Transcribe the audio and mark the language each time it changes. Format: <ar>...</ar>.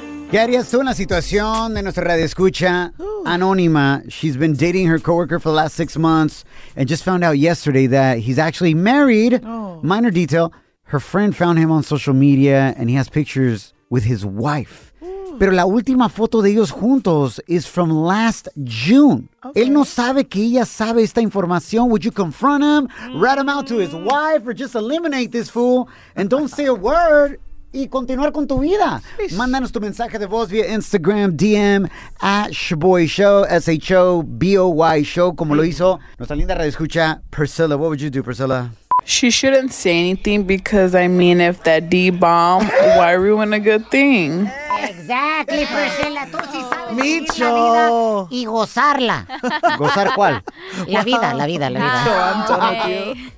<es>¿Qué harías tú en la situación de nuestra radioescucha? Ooh.</es> <en>Anónima, she's been dating her coworker for the last 6 months and just found out yesterday that he's actually married. Oh. Minor detail, her friend found him on social media and he has pictures with his wife. Ooh.</en> <es>Pero la última foto de ellos juntos</es> <en>is from last June. Okay.</en> <es>Él no sabe que ella sabe esta información.</es> <en>Would you confront him, write him out to his wife, or just eliminate this fool and don't say a word?</en> <es>Y continuar con tu vida. Mándanos tu mensaje de voz vía Instagram, DM, at Shaboy Show, S-H-O-B-O-Y Show, como lo hizo nuestra linda radioescucha, Priscilla.</es> <en>What would you do, Priscilla? She shouldn't say anything because, I mean, if that D-bomb, why ruin a good thing?</en> <es>Exactly, Priscilla. Tú sí sabes Micho. La vida y gozarla. ¿Gozar cuál? La vida, la vida, la vida.</es> <en>Micho, I'm talking to you.</en>